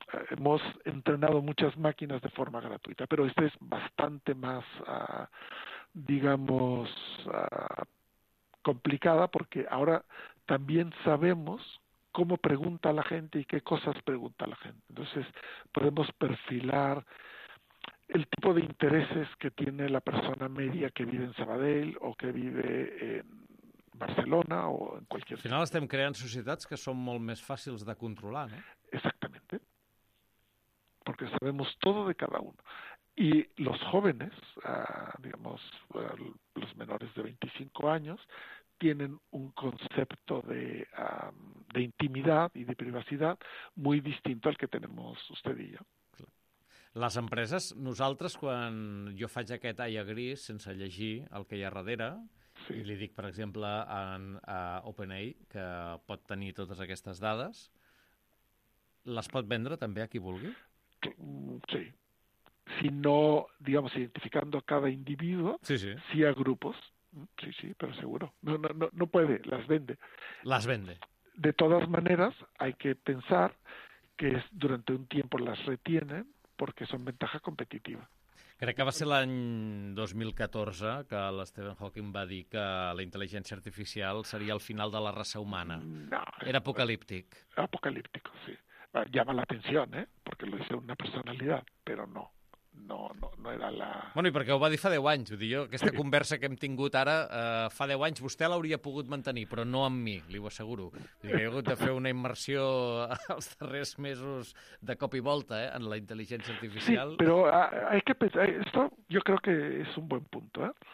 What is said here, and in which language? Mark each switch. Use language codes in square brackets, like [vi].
[es] Hemos entrenado muchas máquinas de forma gratuita, pero este es bastante más, digamos, complicada porque ahora también sabemos cómo pregunta la gente y qué cosas pregunta la gente. Entonces, podemos perfilar el tipo de intereses que tiene la persona media que vive en Sabadell o que vive en Barcelona o en [ca] Al [es] cualquier [ca] final [es] sitio. [ca] estem creant societats que són molt més fàcils de controlar, no? [es] Exactamente. Porque sabemos todo de cada uno. Y los jóvenes, digamos, los menores de 25 años, tienen un concepto de intimidad y de privacidad muy distinto al que tenemos usted y yo. [ca] Les empreses, nosaltres, quan jo faig aquest iagri sense llegir el que hi ha darrere, I li dic, per exemple, a OpenAI, que pot tenir totes aquestes dades, les pot vendre també a qui vulgui? [es] Sí. Si no, digamos, identificando a cada individuo, sí, sí. Si a grupos, sí, sí, pero seguro. No puede, las vende. Las vende. De todas maneras, hay que pensar que durante un tiempo las retienen porque son ventaja competitiva. [ca] Crec que va ser l'any 2014 que l'Stephen Hawking va dir que la intel·ligència artificial seria el final de la raça humana. No. Era apocalíptic. Apocalíptic, sí. [es] Llama la atención, ¿eh? Porque lo dice una personalidad, pero no. No era la... [ca] Bueno, i perquè ho va dir fa 10 anys, ho dic jo. Aquesta sí. Conversa que hem tingut ara, fa 10 anys, vostè l'hauria pogut mantenir, però no amb mi, li ho asseguro. Dic, he hagut de fer una immersió els darrers mesos de cop i volta, en la intel·ligència artificial. [es] Sí, però hay que pensar... Esto yo creo que es un buen punto, ¿eh?